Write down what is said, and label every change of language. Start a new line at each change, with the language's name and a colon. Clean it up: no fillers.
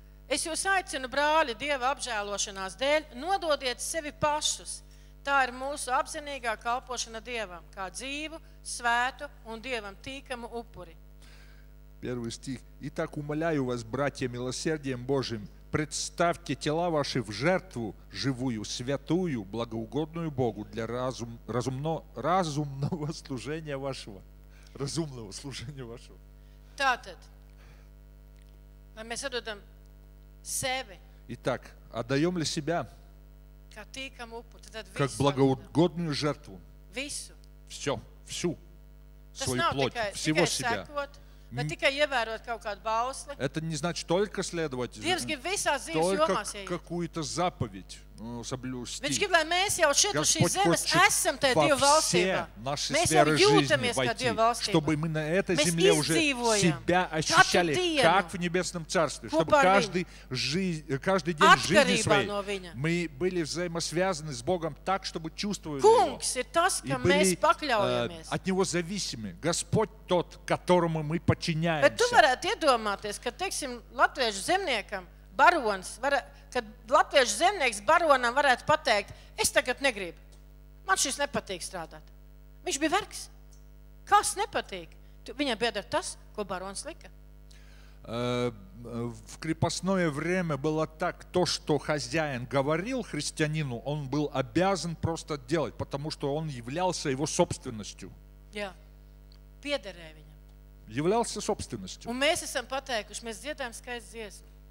Latvian: Es jūs aicinu, brāļi, Dieva apžēlošanās dēļ, nododiet sevi pašus. Tā ir mūsu apzinīgā kalpošana Dievam, kā dzīvu, svētu un Dievam tīkamu upuri.
Russian: Первый стих. Итак, умоляю вас, братья, милосердием Божьим, представьте тела ваши в жертву живую, святую, благоугодную Богу для разумного служения вашего. Разумного служения вашего.
Latvian: Tātad, vai mēs atdodam sevi?
Russian: Итак, отдаем ли себя?
Latvian: Kā tīkam upuri, tad visu.
Russian: Как благоугодную жертву.
Latvian: Visu.
Russian: Все, всю.
Latvian: Tas
Russian: свою плоть,
Latvian: tikai,
Russian: всего
Latvian: tikai
Russian: себя.
Latvian: Sekot. Bet tikai ievērot kaut kādu bausli.
Russian: Это не значит только следовать.
Latvian: Dievs grib visā dzīves jomās iet.
Russian: Какую-то заповедь, ну, соблюсти.
Latvian: Viņš grib, lai mēs jau šeit uz šīs zemes esam tajā Dieva valstībā. Mēs jau jūtamies kā Dieva valstībā.
Russian: Чтобы мы на этой земле уже себя ощущали, как в небесном царстве. Чтобы каждый день жизни своей мы были взаимосвязаны с Богом так, чтобы чувствовали Его.
Latvian: Kungs ir tas, ka mēs pakļaujamies.
Russian: От Него зависимы. Господь тот, которому мы подчиняемся.
Latvian: Bet tu varētu iedomāties, ka, teiksim, latviešu zemniekam, barons, kad latviešu zemnieks baronam varētu pateikt, es tagad negribu, man šis nepatīk strādāt. Viņš bija vergs. Kas nepatīk? Viņam bija tas, ko barons lika.
Russian: В крепостное время было так, то, что хозяин говорил христианину, он был обязан просто делать, потому что он являлся его собственностью.
Latvian: Jā, piederēja viņam.
Russian: Являлся собственностью.
Latvian: Un mēs esam pateikuši, mēs dziedām skaistu dziesmu.